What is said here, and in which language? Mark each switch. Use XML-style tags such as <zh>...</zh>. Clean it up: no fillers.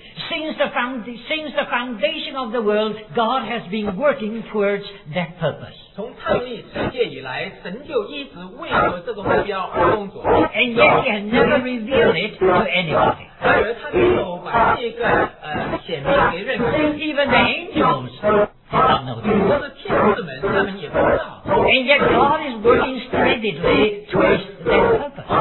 <en>Since the foundation of the world, God has been working towards that purpose.</en> <zh>生命世界以来，神就一直为了这个目标而工作。</zh> <en>And yet he has never revealed it to anybody.</en> <zh>而他没有把这个显明给任何人。</zh> <en>Even the angels do not know this.</en> <zh>或者天使们，他们也不知道。</zh> <en>And yet God is working steadily towards this purpose.</en>